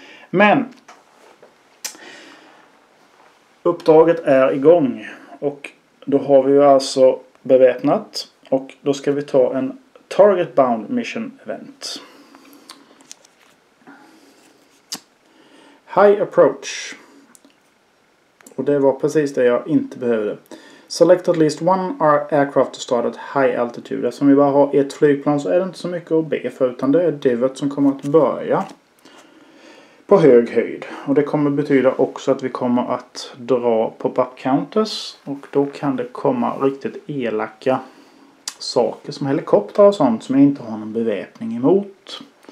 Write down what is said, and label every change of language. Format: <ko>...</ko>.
<sv>Men uppdraget är igång och då har vi ju alltså beväpnat och då ska vi ta en target bound mission event.</sv> <en>High approach.</en> <sv>Och det var precis det jag inte behövde.</sv> <en>Select at least one aircraft to start at high altitude.</en> <sv>Eftersom vi bara har ett flygplan så är det inte så mycket att be för, utan det är divet som kommer att börja på hög höjd. Och det kommer betyda också att vi kommer att dra pop-up counters. Och då kan det komma riktigt elaka saker som helikoptrar och sånt som jag inte har någon beväpning emot.</sv>